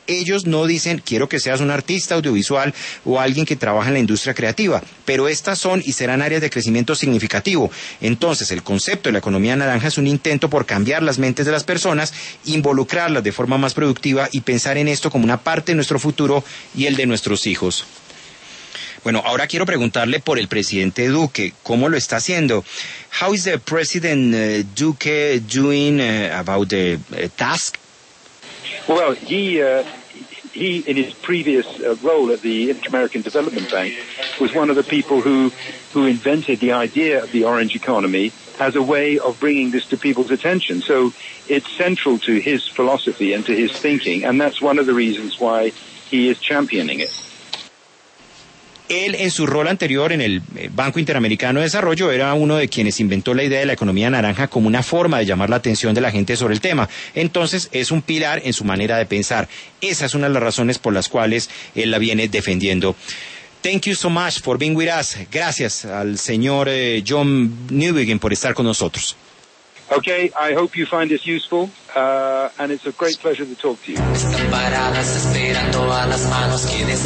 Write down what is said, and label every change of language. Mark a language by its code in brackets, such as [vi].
[es] Ellos no dicen, quiero que seas un artista audiovisual o alguien que trabaja en la industria creativa, pero estas son y serán áreas de crecimiento significativo. Entonces, el concepto de la economía naranja es un intento por cambiar las mentes de las personas, involucrarlas de forma más productiva y pensar en esto como una parte de nuestro futuro y el de nuestros hijos. Bueno, ahora quiero preguntarle por el presidente Duque. ¿Cómo lo está haciendo? [en] How is the president Duque doing about the task? Well, he in his previous role at the Inter-American Development Bank was one of the people who invented the idea of the orange economy as a way of bringing this to people's attention. So it's central to his philosophy and to his thinking, and that's one of the reasons why he is championing it. [es] Él, en su rol anterior en el Banco Interamericano de Desarrollo, era uno de quienes inventó la idea de la economía naranja como una forma de llamar la atención de la gente sobre el tema. Entonces, es un pilar en su manera de pensar. Esa es una de las razones por las cuales él la viene defendiendo. [en] Thank you so much for being with us. [es] Gracias al señor John Neuwegen por estar con nosotros. [en] Okay, I hope you find this useful, and it's a great pleasure to talk to you.